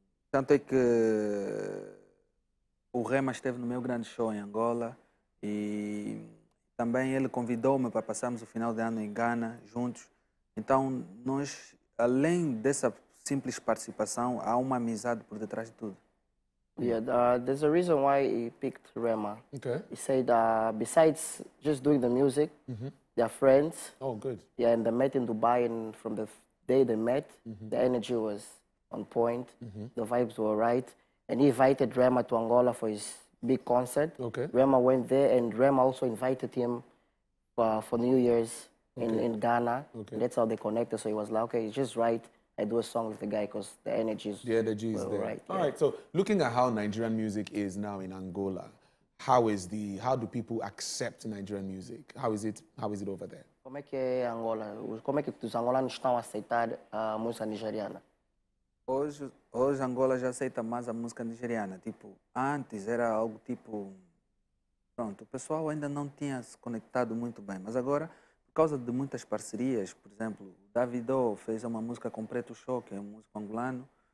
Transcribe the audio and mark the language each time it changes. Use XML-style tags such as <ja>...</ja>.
<pt>Tanto é que o Rema esteve no meu grande show em Angola e também ele convidou-me para passarmos o final de ano em Ghana juntos. Então, nós, além dessa simples participação, há uma amizade por detrás de tudo.</pt> <en>Yeah, there's a reason why he picked Rema. Okay. He said besides just doing the music, they are friends. Oh, good. Yeah, and they met in Dubai, and from the day they met, the energy was on point, the vibes were right, and he invited Rema to Angola for his big concert. Okay. Rema went there, and Rema also invited him for New Year's in Ghana. Okay. And that's how they connected, so he was like, okay, it's just right, I do a song with the guy, because the energy is there. Right. All right, so looking at how Nigerian music is now in Angola, how do people accept Nigerian music? How is it over there?</en> <pt>Como é que é Angola? Como é que os angolanos estão a aceitar a música nigeriana? Hoje Angola já aceita mais a música nigeriana. Tipo, antes era algo tipo... Pronto, o pessoal ainda não tinha se conectado muito bem. Mas agora, por causa de muitas parcerias, por exemplo, o Davido fez uma música com Preto Show, que é um músico angolano.</pt>